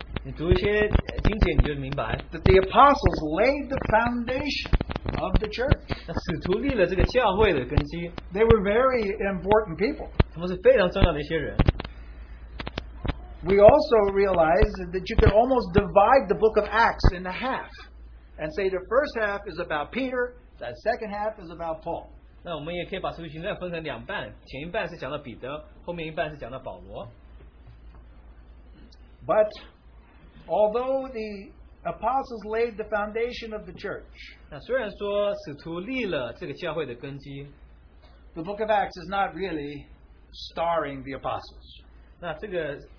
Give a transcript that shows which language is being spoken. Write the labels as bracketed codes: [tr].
[zh] 你读一些经典你就明白, [en] that the apostles laid the foundation of the church. They were very important people. We also realize that you could almost divide the book of Acts in half and say the first half is about Peter, the second half is about Paul. But although the apostles laid the foundation of the church, [zh] 那虽然说使徒立了这个教会的根基, [en] the book of Acts is not really starring the apostles.